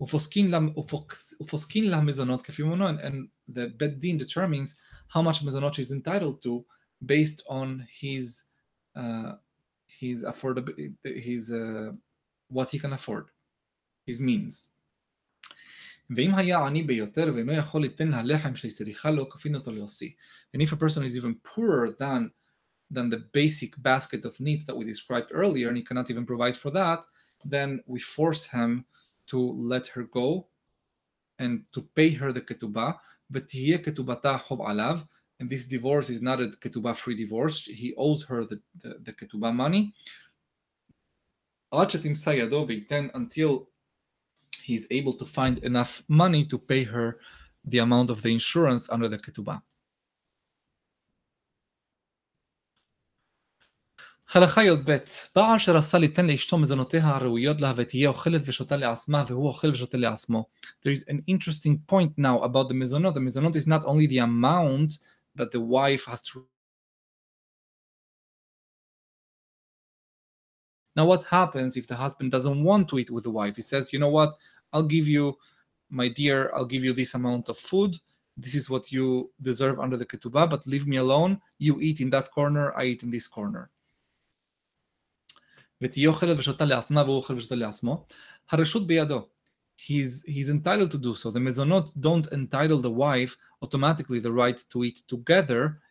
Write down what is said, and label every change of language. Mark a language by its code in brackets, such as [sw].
[he] Ufoskin la mezonot kefi monon, [en] and the Bet Din determines how much mezonot she is entitled to based on what he can afford, his means. [he] ואם היה עני ביותר ואינו יכול לתן ללחם שצריכה לו, כפין אותו להוסיף. [en] And if a person is even poorer than the basic basket of needs that we described earlier, and he cannot even provide for that, then we force him to let her go and to pay her the ketubah, [he] ותהיה ketubata חוב עליו, [en] and this divorce is not a ketubah-free divorce, he owes her the ketubah money. [he] עד שתמצא ידו ויתן, [en] until he's able to find enough money to pay her the amount of the insurance under the ketubah. [he] הלכה יוד ב', בעל שרסה ליתן לאשתו מזונותיה הראויות לה ותהיה אוכלת ושותה לעצמה והוא אוכל ושותה לעצמו. [en] There is an interesting point now about the mezonot. The mezonot is not only the amount that the wife has to... Now what happens if the husband doesn't want to eat with the wife? He says, you know what, I'll give you this amount of food. This is what you deserve under the ketubah, but leave me alone. You eat in that corner, I eat in this corner. [he] ותהיה אוכלת ושותה לעצמה והוא אוכל ושותה לעצמו. הרשות בידו. [en] He's entitled to do so. The mezonot don't entitle the wife automatically the right to eat together